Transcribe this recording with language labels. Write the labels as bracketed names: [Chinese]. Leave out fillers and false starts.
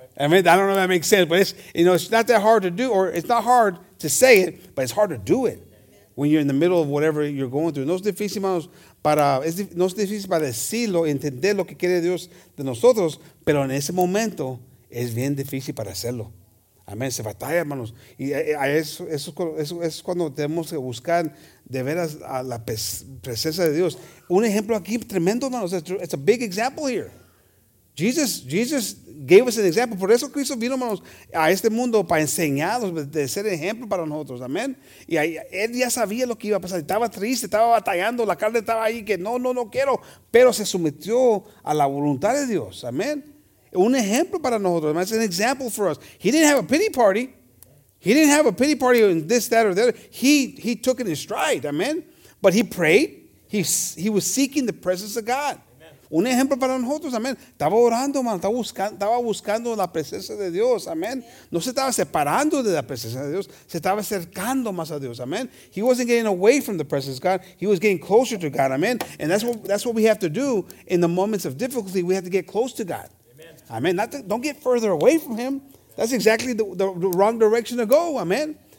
[English] Amen. I don't know if that makes sense, but it's not that hard to do, or it's not hard to say it, but it's hard to do it when you're in the middle of whatever you're going through. [Spanish] No es difícil, hermanos. No es difícil para decirlo, entender lo que quiere Dios de nosotros, pero en ese momento es bien difícil para hacerlo. Amén. Se batalla, hermanos. Y eso es cuando tenemos que buscar de veras a la presencia de Dios. Un ejemplo aquí tremendo, hermanos. [English] It's a big example here. Jesus gave us an example. [Spanish] Por eso Cristo vino, hermanos, a este mundo para enseñarnos, de ser ejemplo para nosotros. Amén. Y ahí, él ya sabía lo que iba a pasar. Estaba triste, estaba batallando. La carne estaba ahí que no quiero. Pero se sometió a la voluntad de Dios. Amén. Un ejemplo para nosotros. Amen. [English] It's an example for us. He didn't have a pity party. He didn't have a pity party in this, that, or the other. He took it in stride. Amén. But he prayed. He was seeking the presence of God. [Spanish] Un ejemplo para nosotros, amén. Estaba orando, hermano. Estaba buscando la presencia de Dios, amén. No se estaba separando de la presencia de Dios. Se estaba acercando más a Dios, amén. [English] He wasn't getting away from the presence of God. He was getting closer to God, amén. And that's what we have to do in the moments of difficulty. We have to get close to God. Amén. Don't get further away from him. That's exactly the wrong direction to go, amén.